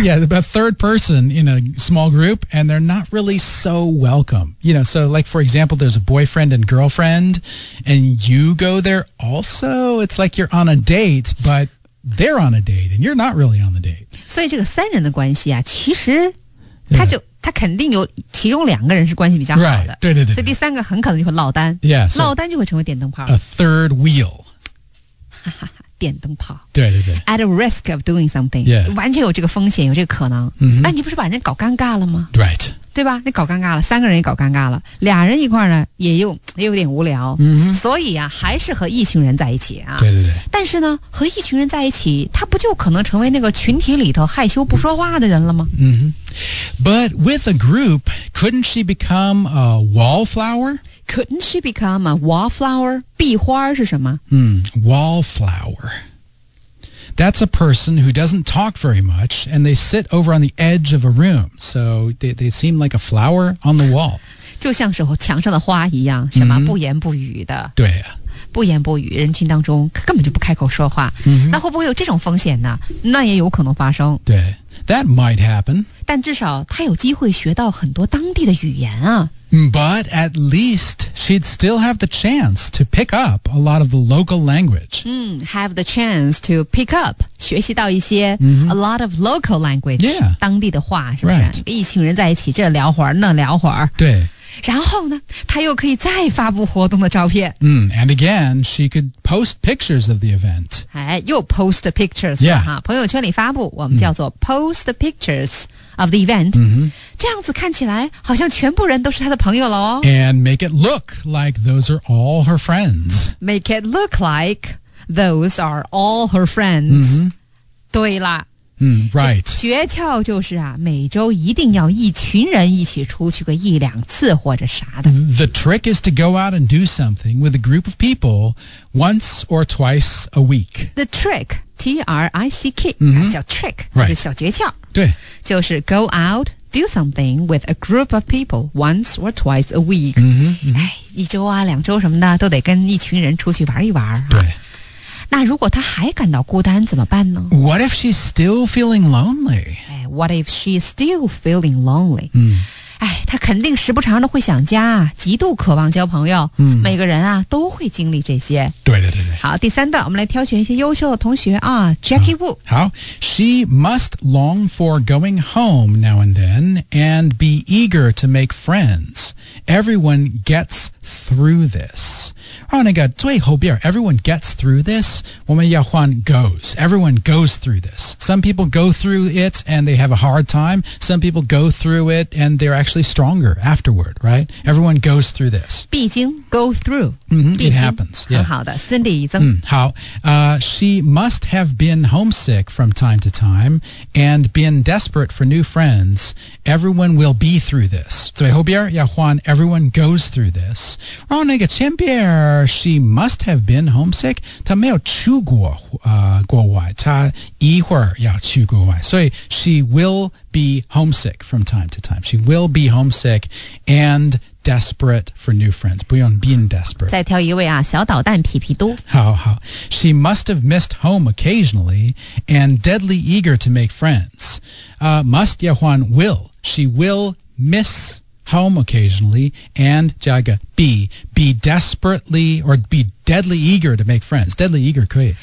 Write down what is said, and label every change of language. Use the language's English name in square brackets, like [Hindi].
[English] Yeah, a third person in a small group And they're not really so welcome You know, so like for example There's a boyfriend and girlfriend And you go there also It's like you're on a date But they're on a date And you're not really on the date [Chinese] 所以这个三人的关系啊其实他就、 [English] yeah. [Chinese] 他肯定有其中两个人是关系比较好的 [English] Right, [Chinese] 对对 对, 对所以第三个很可能就会落单 [English] Yeah, so, [Chinese] 落单就会成为电灯泡 [English] A third wheel [Chinese] 哈哈电灯泡对对对 [English] at a risk of doing something、 yeah. [Chinese] 完全有这个风险有这个可能、 [English] mm-hmm. [Chinese] 哎你不是把人搞尴尬了吗 [English] right [Chinese] 对吧你搞尴尬了三个人也搞尴尬了俩人一块呢也有点无聊、 [English] mm-hmm. [Chinese] 所以啊还是和一群人在一起啊对对对但是呢和一群人在一起他不就可能成为那个群体里头害羞不说话的人了吗、 [English] mm-hmm. But with a group couldn't she become a wallflower Couldn't she become a wallflower? [Chinese] 壁花是什么？ [English] Wallflower. That's a person who doesn't talk very much, and they sit over on the edge of a room. So they seem like a flower on the wall. [Chinese] 就像是墙上的花一样，什么、 [English] mm-hmm. [Chinese] 不言不语的。对啊。不言不语，人群当中根本就不开口说话。 [English] Mm-hmm. [Chinese] 那会不会有这种风险呢？那也有可能发生。对。 [English] That might happen. [Chinese] 但至少他有机会学到很多当地的语言啊。 [English] But at least she'd still have the chance to pick up a lot of the local language. Have the chance to pick up, [Chinese] 学习到一些、 [English] mm-hmm. a lot of local language,、 yeah. [Chinese] 当地的话是不是、 [English] right. [Chinese] 一群人在一起这聊会儿那聊会儿。对。然后呢她又可以再发布活动的照片。 [English] And again, she could post pictures of the event. [Chinese] 哎又 [English] post pictures,、 yeah. [Chinese] 哈朋友圈里发布我们叫做 [English] post pictures. Of the event、 mm-hmm. [Chinese] 这样子看起来好像全部人都是他的朋友了哦 [English] And make it look like those are all her friends Make it look like those are all her friends、 mm-hmm. [Chinese] 对啦、 [English] Right [Chinese] 诀窍就是啊每周一定要一群人一起出去个一两次或者啥的 [English] The trick is to go out and do something with a group of people once or twice a week The trick T-R-I-C-K、 mm-hmm. [Chinese] 小 [English] trick、 right. [Chinese] 就是小诀窍对就是 [English] go out, do something with a group of people once or twice a week. 嗯、mm-hmm, [Chinese] 哎、 [English] mm-hmm. [Chinese] ，一周啊两周什么的都得跟一群人出去玩一玩、啊。对。那如果他还感到孤单怎么办呢 [English] ?What if she's still feeling lonely?、哎、What if she's still feeling lonely?、 Mm-hmm. [Chinese] 哎他肯定时不常的会想家极度渴望交朋友、 [English] mm-hmm. [Chinese] 每个人啊都会经历这些。对对对对。好第三段我们来挑选一些优秀的同学啊 Jackie Wu [English] 好 She must long for going home now and then And be eager to make friends Everyone gets through this [Chinese] 哦那个最后边 [English] Everyone gets through this [Chinese] 我们要换 [English] goes Everyone goes through this Some people go through it and they have a hard time Some people go through it and they're actually stronger afterward Right? Everyone goes through this [Chinese] 毕竟 [English] go through、 mm-hmm, It happens [Chinese] 很好的 Cindy [English] How? She must have been homesick from time to time and been desperate for new friends. Everyone will be through this. [Chinese] 最后边要换 [English] everyone goes through this. [Chinese] 然后那个前边 [English] she must have been homesick. [Chinese] 她没有去过、国外她一会儿要去国外所以 [English] she will be homesick from time to time. She will be homesick and desperate for new friends. [Chinese] 不用 [English] being desperate. [Chinese] 再挑一位啊小捣蛋皮皮多。好好。 [English] She must have missed home occasionally and deadly eager to make friends. Must [Chinese] 要换 [English] will. She will miss home occasionally and [Chinese] 加个 [English] be desperately or be deadly eager to make friends. Deadly eager [Chinese] 可以。